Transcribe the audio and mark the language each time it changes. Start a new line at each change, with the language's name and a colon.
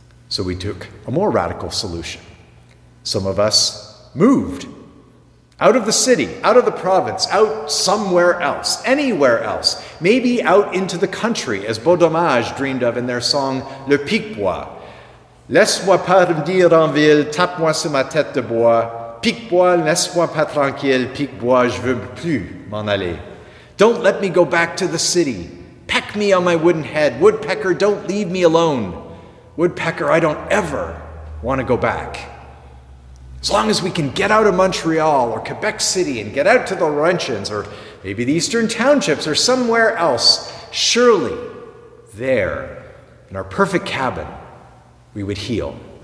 English: So we took a more radical solution. Some of us moved out of the city, out of the province, out somewhere else, anywhere else, maybe out into the country, as Beaudommage dreamed of in their song Le Piquebois.
French: Laisse-moi partir en ville, tape-moi sur ma tête de bois. Piquebois, laisse-moi pas tranquille, Piquebois, je veux plus m'en aller.
English: Don't let me go back to the city. Peck me on my wooden head. Woodpecker, don't leave me alone. Woodpecker, I don't ever want to go back. As long as we can get out of Montreal or Quebec City and get out to the Laurentians or maybe the Eastern Townships or somewhere else, surely there in our perfect cabin, we would heal.